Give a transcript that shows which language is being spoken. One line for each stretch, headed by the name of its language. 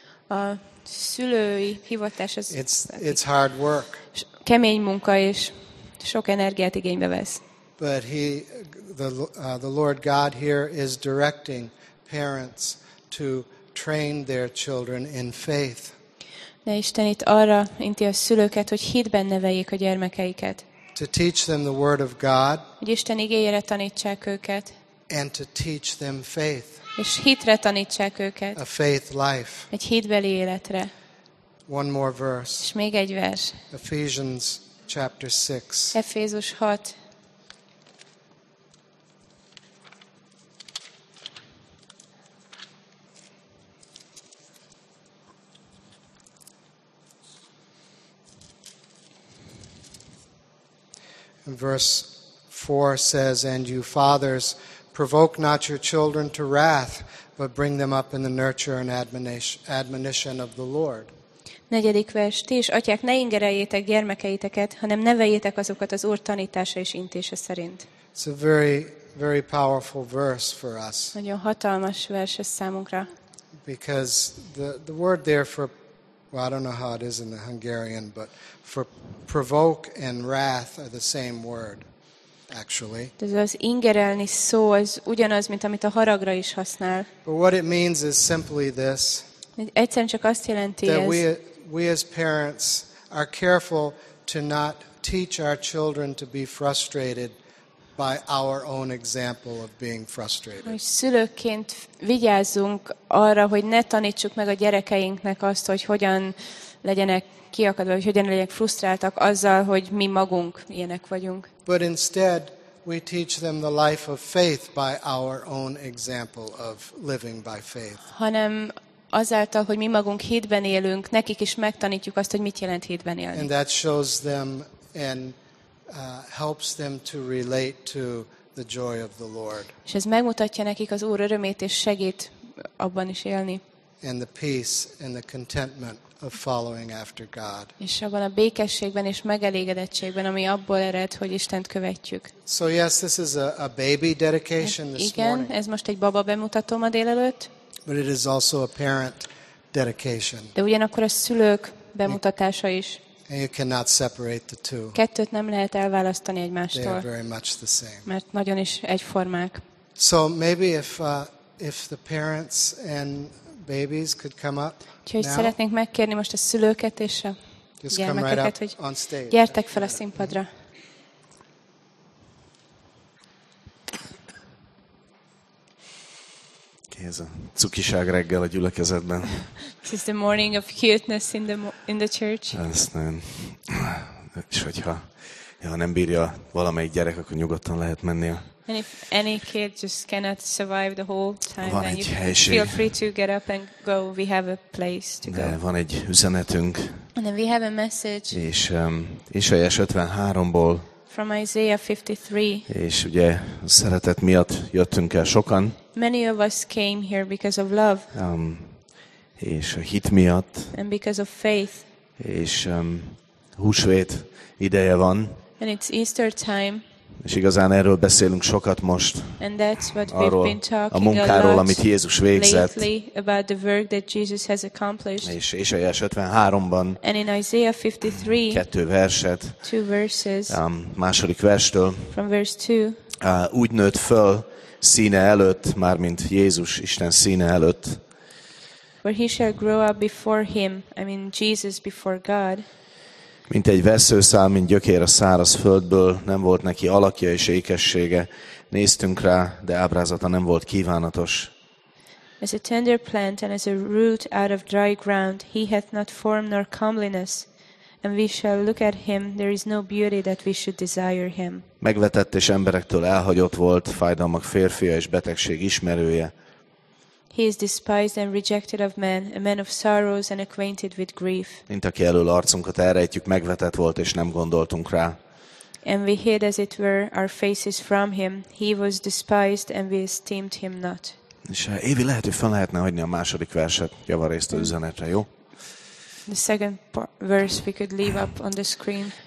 Hungarian: A szülői hivatás az...
English: It's hard work.
Hungarian: Kemény munka, és sok energiát igénybe vesz.
English: But the Lord God here is directing parents to train their children in faith.
Hungarian: De Isten itt arra inti a szülőket, hogy hitben neveljék a gyermekeiket.
English: To teach them the word of God.
Hungarian: Hogy Isten igéjére tanítsák őket.
English: And to teach them faith.
Hungarian: És hitre tanítsák őket.
English: A faith life.
Hungarian: Egy hitbeli életre.
English: One more verse.
Hungarian: És még egy vers.
English: Ephesians chapter 6.
Hungarian: Efézus 6.
English: Verse 4 says, and you fathers, provoke not your children to wrath, but bring them up in the nurture and admonition of the Lord.
Hungarian: Negyedik vers, ti is atyák, ne ingereljétek gyermekeiteket, hanem neveljétek azokat az Úr tanítása és intése szerint.
English: It's a very, very powerful verse for us.
Hungarian: Nagyon hatalmas vers ez számunkra.
English: Because the word there for, well, I don't know how it is in the Hungarian, but for provoke and wrath are the same word, actually.
Hungarian: Ez az ingerelni szó, az ugyanaz, mint amit a haragra is használ.
English: But what it means is simply this.
Hungarian: Egyszerűen csak azt jelenti
English: that
Hungarian: ez.
English: We as parents are careful to not teach our children to be frustrated by our own example of being frustrated.
Hungarian: Hogy szülőként vigyázzunk arra, hogy ne tanítsuk meg a gyerekeinknek azt, hogy hogyan legyenek kiakadva, hogy hogyan legyenek frusztráltak azzal, hogy mi magunk ilyenek vagyunk.
English: But instead, we teach them the life of faith by our own example of living by faith.
Hungarian: Hanem azáltal, hogy mi magunk hitben élünk, nekik is megtanítjuk azt, hogy mit jelent hitben élni.
English: And that shows them and helps them to relate to the joy of the Lord.
Hungarian: És ez megmutatja nekik az Úr örömét és segít abban is élni.
English: And the peace and the contentment of following after God.
Hungarian: És abban a békességben és megelégedettségben, ami abból ered, hogy Istent követjük.
English: So yes, this is a baby dedication this morning.
Hungarian: Igen, ez most egy baba bemutató ma délelőtt.
English: But it is also a parent dedication.
Hungarian: De ugyanakkor a szülők bemutatása is.
English: And you cannot separate the two.
Hungarian: Kettőt nem lehet elválasztani egymástól.
English: They are very much the same.
Hungarian: Mert nagyon is egyformák.
English: So maybe if the parents and babies could come up.
Hungarian: Úgyhogy szeretnénk megkérni most a szülőket és a gyermekeket, hogy gyertek fel a színpadra. Ez a cukiság reggel a gyülekezetben.
English: This is the morning of cuteness in the church.
Hungarian: Ezt nagyon. És hogyha nem bírja valamelyik gyerek, akkor nyugodtan lehet menni.
English: And if any kid just cannot survive the whole time,
Hungarian: van
English: then
Hungarian: egy
English: you
Hungarian: helység.
English: Feel free to get up and go. We have a place to go.
Hungarian: Van egy üzenetünk.
English: And then we have a message.
Hungarian: És Ésaiás 53-ból.
English: From Isaiah 53.
Hungarian: És ugye szeretet miatt jöttünk el sokan.
English: Many of us came here because of love.
Hungarian: És a hit miatt.
English: And because of faith.
Hungarian: És húsvét ideje van.
English: And it's Easter time.
Hungarian: És igazán erről beszélünk sokat most.
English: And that's what
Hungarian: arról,
English: we've been talking
Hungarian: a munkáról, amit Jézus végzett.
English: Lately about the work that Jesus has accomplished.
Hungarian: És Ésaiás 53-ban.
English: And in Isaiah 53.
Hungarian: Kettő verset.
English: Two verses.
Hungarian: Második verstől.
English: From verse 2.
Hungarian: Úgy nőtt föl színe előtt, mármint Jézus Isten színe előtt.
English: For he shall grow up before him, I mean Jesus before God.
Hungarian: Mint egy vesszőszál, mint gyökér a száraz földből, nem volt neki alakja és ékessége. Néztünk rá, de ábrázata nem volt kívánatos.
English: As a tender plant and as a root out of dry ground, he hath not form nor comeliness. And we shall look at him, there is no beauty that we should desire him.
Hungarian: Megvetett és emberektől elhagyott volt, fájdalmak férfia és betegség ismerője.
English: He is despised and rejected of men, a man of sorrows and acquainted with grief.
Hungarian: Mint aki elől arcunkat elrejtjük, megvetett volt és nem gondoltunk rá.
English: And we hid as it were our faces from him. He was despised and we esteemed him not.
Hungarian: És Évi, lehet, hogy fel lehetne hagyni a második verset javarészt az üzenetre, jó?
English: The second verse we could leave up on the screen.